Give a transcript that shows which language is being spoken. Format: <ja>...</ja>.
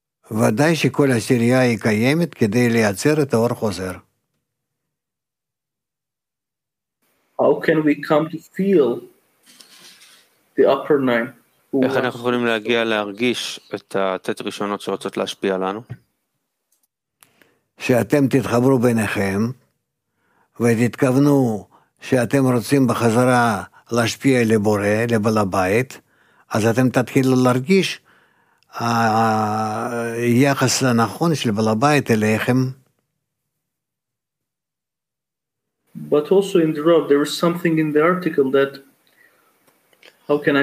<he>ודאי שכל העשירייה היא קיימת כדי לייצר את האור החוזר.</he> <en>How can we come to feel the upper nine.</en> <he>איך אנחנו יכולים להגיע להרגיש את התת ראשונות שרוצות להשפיע לנו? שאתם תתחברו ביניכם, ותתכוונו שאתם רוצים בחזרה להשפיע לבורא, לבעל הבית, אז אתם תתחילו להרגיש היחס הנכון של בעל הבית אליכם.</he> <en>But also in the rub, there was something in the article that how can I</en>